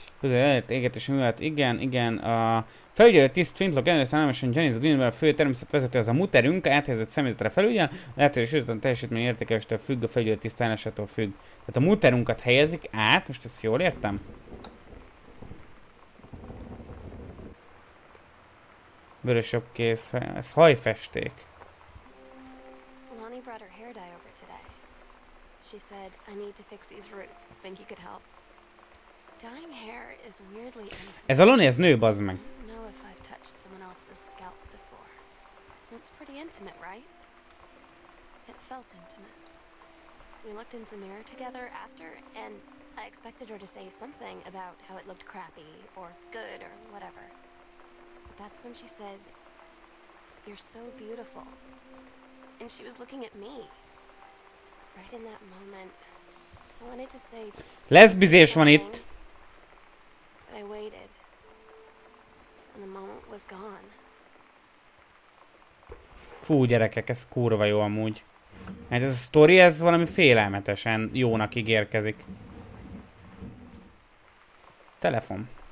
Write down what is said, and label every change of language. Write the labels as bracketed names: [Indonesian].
[Hungarian] Előtt égetés művelet, igen. A felügyelő tiszt Flintlock ellenőrzte államosan Janice Greenwell, a fő természetvezető, az a muterünk, a áthelyezett személyzetre felügyel, a áthelyezés időtlen teljesítmény értékelésétől függ, a felügyelő tiszt állásától függ. Tehát a muterunkat helyezik át, most ezt jól értem? Vörös jobb kéz, ez hajfesték. [English] Lonnie brought her hair dye over today. She said, I need to fix these roots, think you could help. Dying hair is weirdly intimate. [Hungarian] Ez a Lonnie, ez nő, bazd meg. [English] Know if I've touched someone else's scalp before. That's pretty intimate, right? It felt intimate. We looked in the mirror together after, and I expected her to say something about how it looked crappy or good or whatever. But that's when she said, "You're so beautiful." And she was looking at me. Right in that moment, I wanted to say. [Hungarian] Leszbizés van itt. [English] I waited, and the moment was gone. [Hungarian] Fú, gyerekek, ez kurva jó amúgy. Hát ez a sztori, ez valami félelmetesen jónak ígérkezik. Telefon.